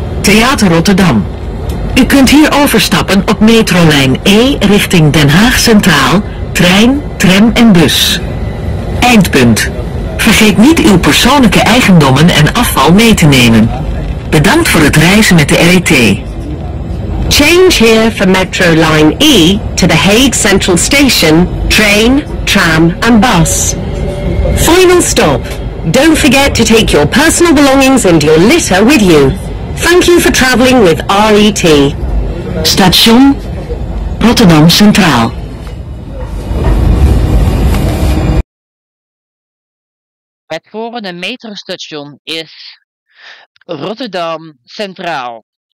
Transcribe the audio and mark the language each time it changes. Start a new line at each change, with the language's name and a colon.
Dutch: Theater Rotterdam. U kunt hier overstappen op metrolijn E richting Den Haag Centraal, trein, tram en bus. Eindpunt. Vergeet niet uw persoonlijke eigendommen en afval mee te nemen. Bedankt voor het reizen met de RET.
English: Change here for Metro Line E to the Hague Central Station, train, tram and bus. Final stop. Don't forget to take your personal belongings and your litter with you. Thank you for traveling with RET.
Dutch: Station Rotterdam Centraal. Het volgende metrostation is Rotterdam Centraal.